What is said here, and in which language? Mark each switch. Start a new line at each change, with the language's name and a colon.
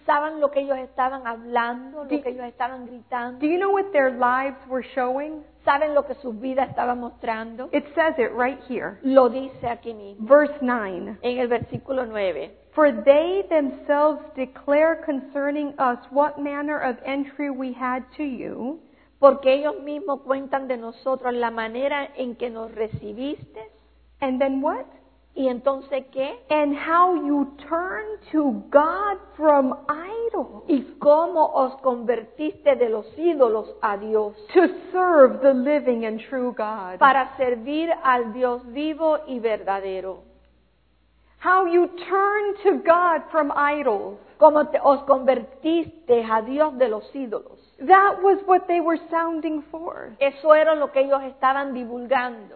Spanish: ¿Saben lo que ellos estaban hablando, lo que ellos estaban gritando?
English: Do you know what their lives were showing?
Spanish: ¿Saben lo que su vida estaba mostrando?
English: It says it right here.
Spanish: Lo dice aquí mismo.
English: Verse 9.
Spanish: En el versículo 9.
English: For they themselves declare concerning us what manner of entry we had to you.
Spanish: Porque ellos mismos cuentan de nosotros la manera en que nos recibiste.
English: And then what?
Spanish: ¿Y entonces qué?
English: And how you turned to God from idols.
Spanish: ¿Y cómo os convertiste de los ídolos a Dios?
English: To serve the living and true God.
Spanish: Para servir al Dios vivo y verdadero.
English: How you turned to God from idols.
Spanish: Como te, os convertiste a Dios de los ídolos.
English: That was what they were sounding for.
Spanish: Eso era lo que ellos estaban divulgando.